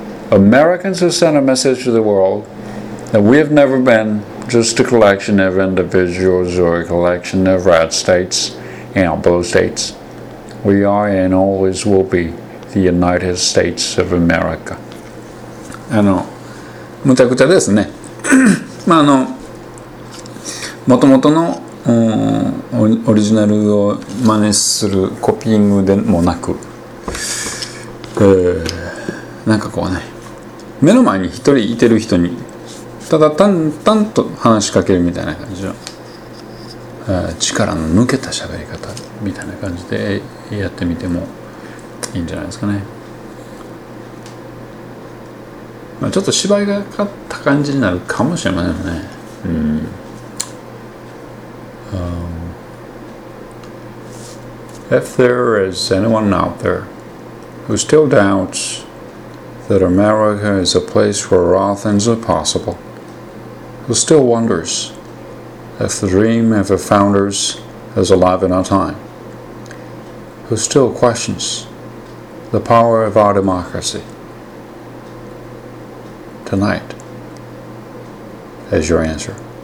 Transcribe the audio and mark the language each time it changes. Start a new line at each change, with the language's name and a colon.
English: Americans have sent a message to the world that we have never been just a collection of individuals or a collection of red states. In both states, we are and always will be the United States of America.
Japanese: あの、むちゃくちゃですね。まああの、もともとの、オリジナルを真似するコピーングでもなく、なんかこうね、目の前に一人いてる人に、ただ淡々と話しかけるみたいな感じの。力の抜けた喋り方みたいな感じでやってみてもいいんじゃないですかね。まあ、ちょっと芝居がかった感じになるかもしれませんね。
English: If there is anyone out there who still doubts that America is a place where all things are possible, who still wonders. If the dream of the founders is alive in our time, who still questions the power of our democracy, tonight is your answer.